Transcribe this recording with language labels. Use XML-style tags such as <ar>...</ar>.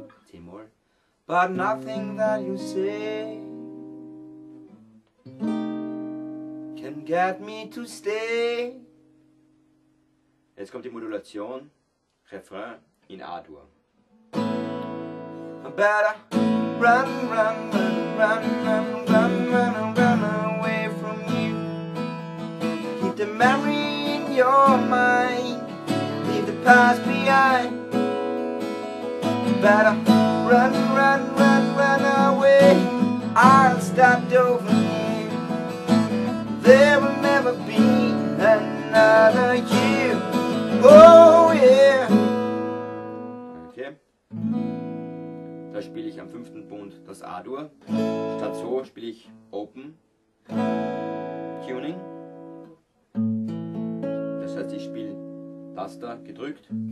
<en>T-Moll. But nothing that you say can get me to stay.</en> <de>Jetzt kommt die Modulation, Refrain in A-Dur.</de> <en>I better run, run, run, run, run, run, run, run away from you. Keep the memory in your mind, leave the past behind. Better run, run, run, run away. I'll stop over you. There will never be another you. Oh yeah. Okay.</en> <de>Da spiele ich am fünften Bund das A-Dur. Statt so spiele ich Open Tuning. Das heißt, ich spiele das da gedrückt.</de>